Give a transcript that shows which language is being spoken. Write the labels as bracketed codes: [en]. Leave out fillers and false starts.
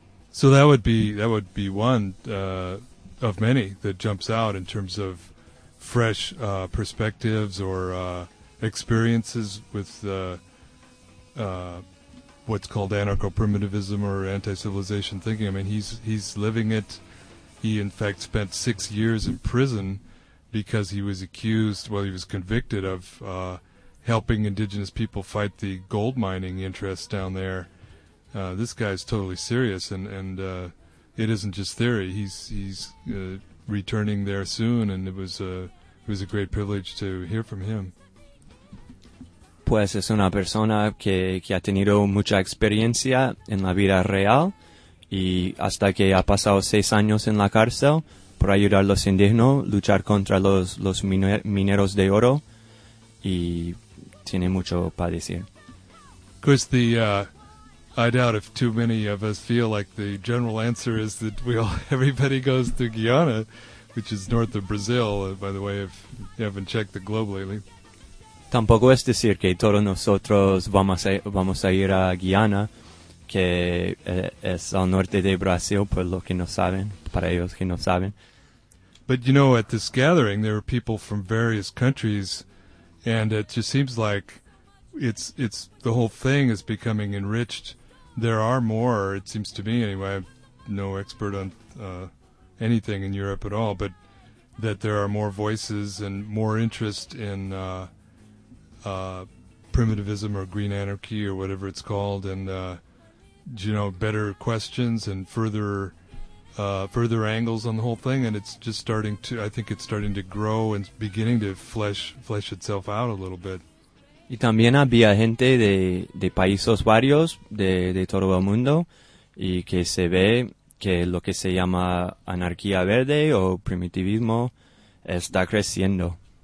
[en] So that would be one of many that jumps out in terms of fresh perspectives or experiences with what's called anarcho-primitivism or anti-civilization thinking. I mean, he's living it. He, in fact, spent 6 years in prison because he was convicted of helping indigenous people fight the gold mining interests down there. This guy's totally serious, and it isn't just theory. He's returning there soon, and it was a great privilege to hear from him. [es] Pues es una persona que ha tenido mucha experiencia en la vida real y hasta que ha pasado 6 años en la cárcel por ayudar a los indígenas a luchar contra los mineros de oro y tiene mucho para decir. [en] Of course, I doubt if too many of us feel like the general answer is that everybody goes to Guyana, which is north of Brazil, by the way, if you haven't checked the globe lately. [es] Tampoco es decir que todos nosotros vamos a ir a Guyana, que es al norte de Brasil, por lo que no saben, para ellos que no saben. [en] But, you know, at this gathering, there are people from various countries, and it just seems like it's the whole thing is becoming enriched. There are more, it seems to me, anyway, I'm no expert on anything in Europe at all, but that there are more voices and more interest in primitivism or green anarchy or whatever it's called, and you know, better questions and further angles on the whole thing, and it's just starting to, I think it's starting to grow and beginning to flesh itself out a little bit. [es] Y también había gente de países varios de todo el mundo y que se ve que lo que se llama anarquía verde o primitivismo está creciendo.